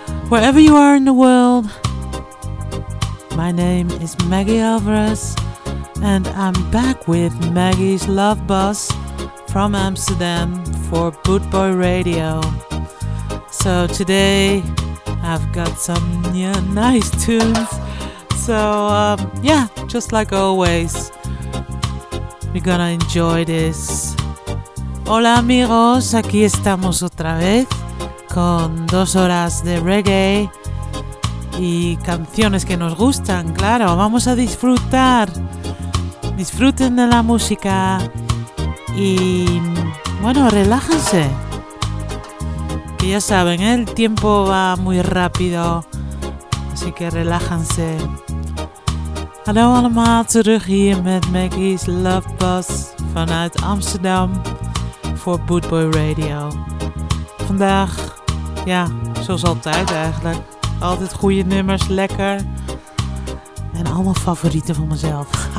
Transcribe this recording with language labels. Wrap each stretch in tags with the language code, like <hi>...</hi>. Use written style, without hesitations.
<en>Wherever you are in the world, my name is Maggie Alvarez, and I'm back with Maggie's Love Bus from Amsterdam for Boot Boy Radio. So today I've got some nice tunes. So yeah, just like always, we're gonna enjoy this.</en> <es>Hola amigos, aquí estamos otra vez con dos horas de reggae y canciones que nos gustan, claro. Vamos a disfrutar. Disfruten de la música y bueno, relájense. Que ya saben, el tiempo va muy rápido, así que relájense.</es> <nl>Hallo allemaal, terug hier met Maggie's Love Bus vanuit Amsterdam voor Boot Boy Radio. Vandaag, ja, zoals altijd eigenlijk, altijd goede nummers, lekker. En allemaal favorieten van mezelf.</nl>